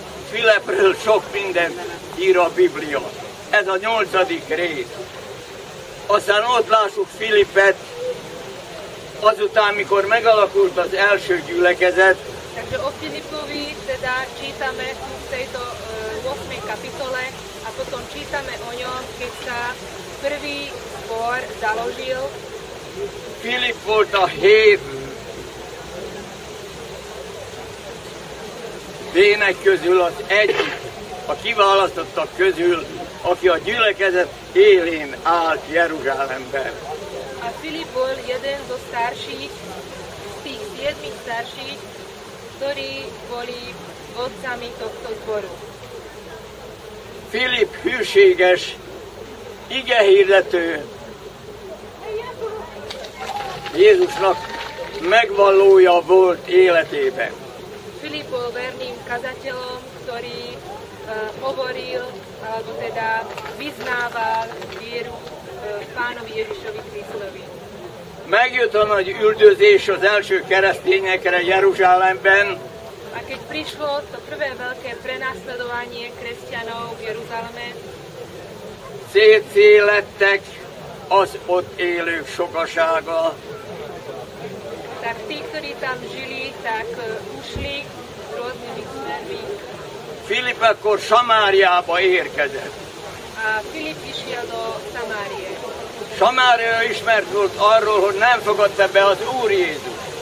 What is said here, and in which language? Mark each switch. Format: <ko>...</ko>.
<hu>Filipről sok mindent ír a Biblia. Ez a 8. rész. Aztán ott lássuk Filipet, azután, mikor megalakult az első gyülekezet.</hu> <sk>Takže o Filipovi teda čítame v tejto 8. kapitole a potom čítame o ňom, keď sa prvý zbor založil.</sk> <hu>Filip volt a hét vének közül az egyik, a kiválasztottak közül, aki a gyülekezet élén állt Jeruzsálemben.</hu> <sk>A Filip bol jeden zo starších, z tých 7 starších, ktorí boli vodcami tohto zboru.</sk> <hu>Filip hűséges, igehirdető, Jézusnak megvallója volt életében.</hu> <sk>Filippo verným kazateľom, ktorý hovoril, alebo teda vyznával vieru Pánovi Ježišovi Krisztovi.</sk> <hu>Megjött a nagy üldözés az első keresztényekre Jeruzsálemben.</hu> <sk>A keď prišlo to prvé veľké prenasledovanie kresťanov v Jeruzaleme.</sk> <hu>Szétszélettek az ott élők sokasága.</hu> <sk>Tak tí, ktorí tam žili, tak ušli rôznymi smermi.</sk> <hu>Filip akkor Samáriába érkezett.</hu> <sk>A Filip is jel do Samárie.</sk> <hu>Samária ismert volt arról, hogy nem fogadta be az Úr Jézus.</hu>